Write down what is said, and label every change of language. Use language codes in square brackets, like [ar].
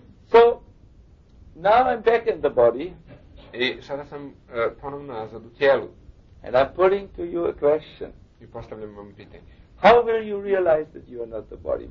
[en] So, now I'm back in the body. [hr] I sada sam ponovno nazad u tijelu. [en] And I'm putting to you a question. [hr] I postavljam vam pitanje. [en] How will you realize that you are not the body?